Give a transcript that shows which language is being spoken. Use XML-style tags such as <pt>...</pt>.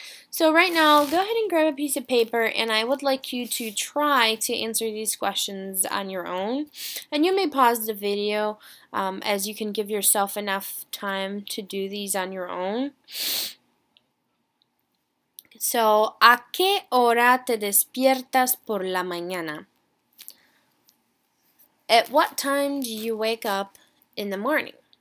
<en>So right now, go ahead and grab a piece of paper, and I would like you to try to answer these questions on your own. And you may pause the video as you can give yourself enough time to do these on your own.</en> <es>So, ¿a qué hora te despiertas por la mañana?</es> <en>At what time do you wake up in the morning?</en>